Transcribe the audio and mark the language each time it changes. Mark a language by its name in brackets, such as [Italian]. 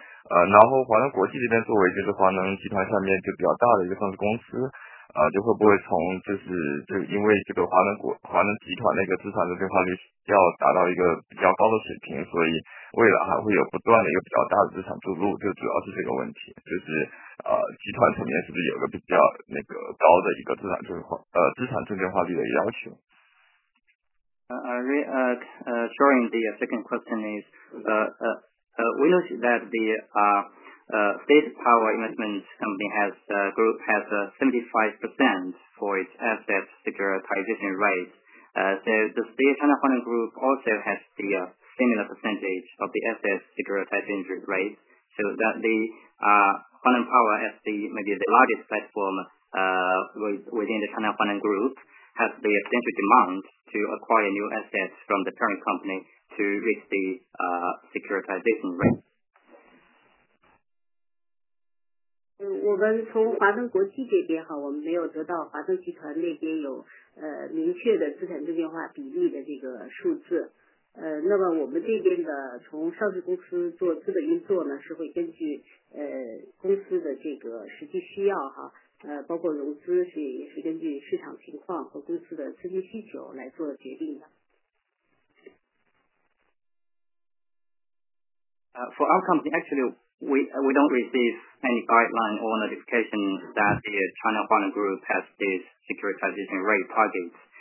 [Chinese] 然后华能国际这边作为就是华能集团下面就比较大的一个上市公司，就会不会从就因为这个华能集团那个资产证券化率要达到一个比较高的水平，所以未来还会有不断的一个比较大的资产注入，就主要是这个问题，就是集团层面是不是有个比较那个高的一个资产证券化率的要求。 [English] Showing the second question is we know that the state power investment company has 75% for its asset securitization rate. So the state China Huaneng Group also has the similar percentage of the asset securitization rate, so that the Huaneng Power as maybe the largest platform within the China Huaneng Group has the potential demand to acquire new assets from the parent company to reach the securitization rate. [Chinese] 我们从华能国际这边哈，我们没有得到华能集团那边有明确的资产证券化比例的这个数字。那么我们这边的从上市公司做资本运作呢，是会根据公司的这个实际需要哈，包括融资也是根据市场情况和公司的资金需求来做决定的。 [English] For our company, actually, we don't receive any guideline or notification that the China Huaneng Group has this securitization rate target.